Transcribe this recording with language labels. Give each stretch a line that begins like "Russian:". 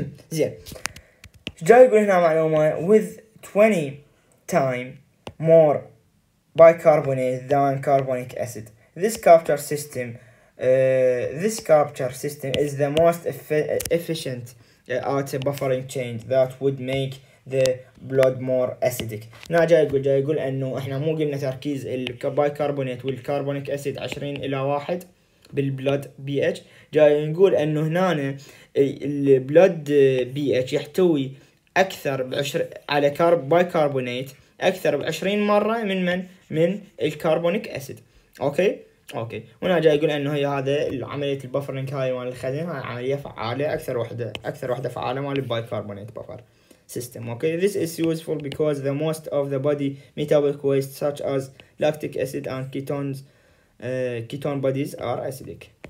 Arabic: زين، جاي يقول هنا معلومه
English: with 20 time more bicarbonate than carbonic acid this capture system this capture system is the most efficient at buffering change that would make the blood more acidic.
Arabic: نا جاي يقول انه احنا مو قلنا تركيز البايكربونات والكربونيك اسيد 20 الى 1 بالبلود بي اتش، جاي نقول انه هنا البلود بي اتش يحتوي اكثر على بايكربونات اكثر ب 20 مره من الكربونيك اسيد. اوكي هنا جاي يقول انه هي هذا عمليه البفرنج، هاي مال الخزين، هاي عمليه فعاله، اكثر وحده فعاله مال البايكربونات بفر system.
English: Okay, this is useful because the most of the body metabolic waste such as lactic acid and ketones ketone bodies are acidic.